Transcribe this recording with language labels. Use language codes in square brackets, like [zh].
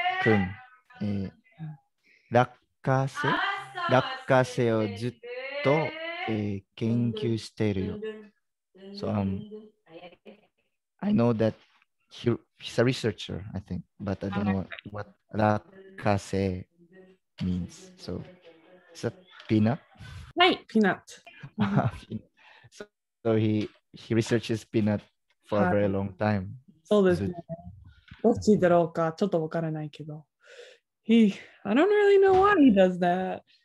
[ja] 君、落花生、落花生をずっと、研究しているよ。 [en] So, I know that he's a researcher, I think, but I don't know what 落花生 means. So, It's a peanut. Right, peanut. So he researches peanut for a very long time. [ja] そうですね。どっちだろうかちょっとわからないけど。 [en] I don't really know why he does that.